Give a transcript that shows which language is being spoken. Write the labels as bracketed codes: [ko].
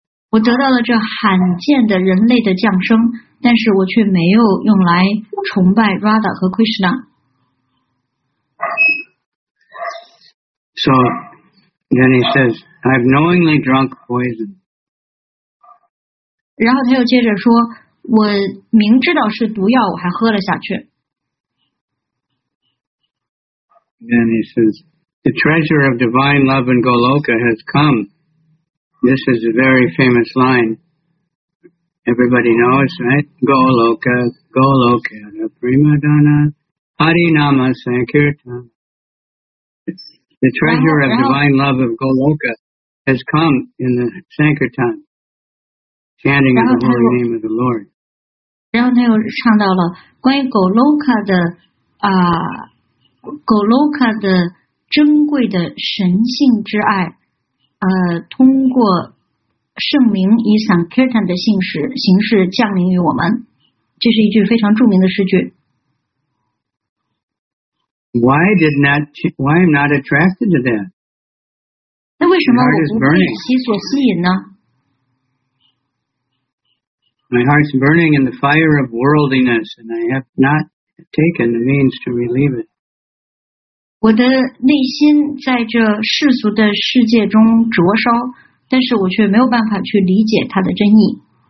[zh] 我得到了这罕见的人类的降生，但是我却没有用来崇拜 Radha 和 Krishna. [en] So, then he says, I've knowingly drunk poison. [zh] 然后他又接着说，我明知道是毒药，我还喝了下去。 [en] Then he says, the treasure of divine love in Goloka has come. This is a very famous line. Everybody knows, right? Goloka, Goloka, the prima donna, Hari Nama Sankirtan. The treasure of divine love of Goloka has come in the Sankirtan. [zh] 然后他又唱到了关于Goloka的Goloka的珍贵的神性之爱通过圣名以 Sankirtan 的形式降临于我们。这是一句非常著名的诗句。 [en] Why I'm not attracted to that? [zh] 那为什么我不被其所吸引呢？ [en] My heart's burning in the fire of worldliness, and I have not taken the means to relieve it. [zh] 我的内心在这世俗的世界中灼烧，但是我却没有办法去理解它的真意。